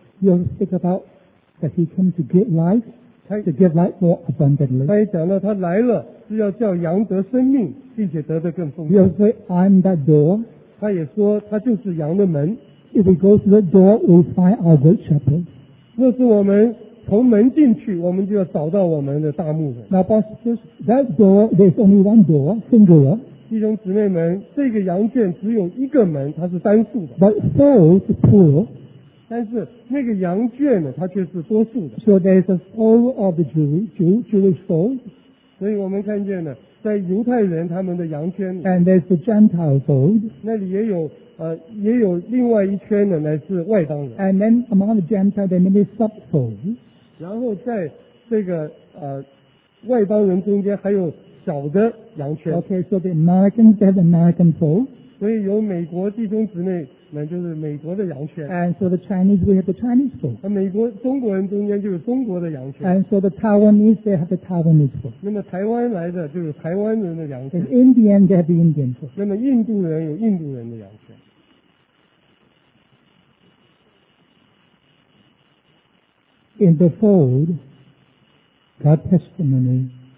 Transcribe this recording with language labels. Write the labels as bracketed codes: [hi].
[en] He also speak about that he come to give life, to give life more abundantly. [zh] 他也讲到他来了是要叫羊得生命，并且得得更丰盛。 [en] He also say, I'm that door. [zh] 他也说他就是羊的门。 [en] If we go through the door, we find our good shepherd. [zh] 若是我们从门进去，我们就要找到我们的大牧人。 [en] Now, but this, that door, there's only one door, singular. [zh] 弟兄姊妹们，这个羊圈只有一个门，它是单数的。 [en] But fold is plural. [zh] 但是那个羊圈呢，它却是多数的。 [en] So there is a fold of the Jewish fold. [zh] 所以我们看见呢，在犹太人他们的羊圈里。 [en] And there's the Gentile fold. [zh] 那里也有也有另外一圈呢，乃是外邦人。 [en] And then among the Gentiles, there may be sub fold. [zh] 然后在这个外邦人中间还有。小的羊圈。 [en] Okay, so the American, they have American fold. [zh] 所以有美国弟兄姊妹们就是美国的羊圈。 [en] And so the Chinese, we have the Chinese fold. [zh] 美国中国人中间就是中国的羊圈。 [en] And so the Taiwanese, they have the Taiwanese fold. [zh] 那么台湾来的就是台湾人的羊圈。 [en] And Indian, they have the Indian fold. [zh] 那么印度人有印度人的羊圈。 [en] In the fold, God testimony.